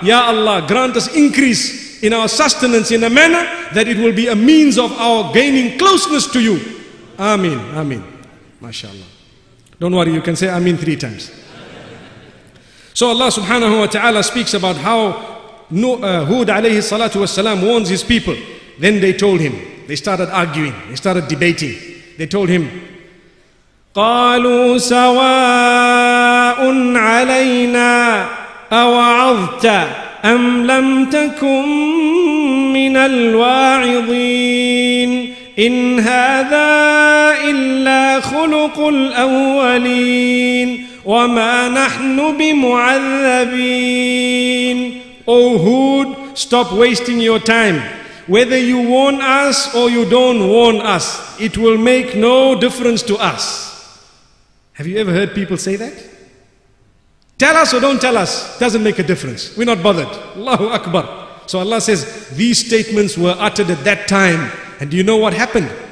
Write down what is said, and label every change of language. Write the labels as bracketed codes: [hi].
[en] Ya Allah, grant us increase in our sustenance in a manner that it will be a means of our gaining closeness to you. Ameen, ameen. MashaAllah. Don't worry, you can say ameen 3 times. So Allah subhanahu wa ta'ala speaks about how Hud alayhi salatu wasalam warns his people. Then they told him, they started arguing, they started debating. They told him, [ar] قالوا سواء علينا أوعظت أم لم تكن من الواعظين إن هذا إلا خلق الأولين وما نحن بمعذبين. [en] O Hud, stop wasting your time. Whether you warn us or you don't warn us, it will make no difference to us. Have you ever heard people say that? Tell us or don't tell us, doesn't make a difference. We're not bothered. Allahu Akbar. So Allah says, these statements were uttered at that time. And do you know what happened?